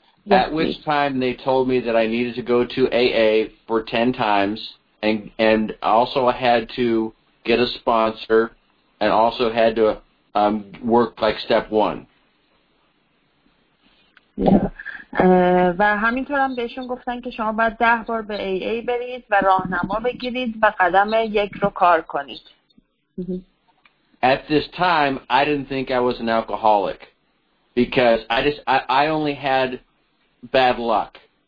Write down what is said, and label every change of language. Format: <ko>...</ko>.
<en>At which time they told me that I needed to go to AA for 10 times and also I had to get a sponsor, and also had to work like step one.</en> <fa>و همینطور هم بهشون گفتن که شما باید 10 بار به AA برید و راهنما بگیرید و قدم یک رو کار کنید.</fa> <en>At this time, I didn't think I was an alcoholic because I only had bad luck.</en>